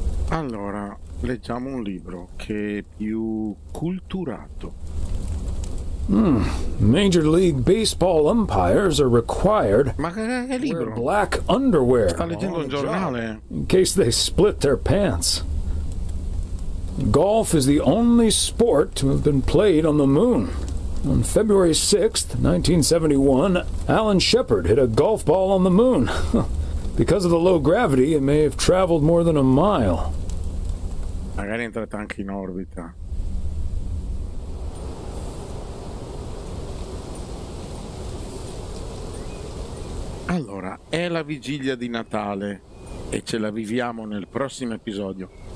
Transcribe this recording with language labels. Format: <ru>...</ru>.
<it>Allora, leggiamo un libro che è più culturato.</it> <en>Major League Baseball umpires are required.</en> <it>Ma che libro?</it> <en>Wear black underwear.</en> <it>Sta leggendo un giornale.</it> <en>In case they split their pants. Golf is the only sport to have been played on the moon. On February 6th, 1971, Alan Shepard hit a golf ball on the moon. Because of the low gravity, it may have traveled more than a mile.</en> <it>Magari è entrata anche in orbita. Allora, è la vigilia di Natale e ce la viviamo nel prossimo episodio.</it>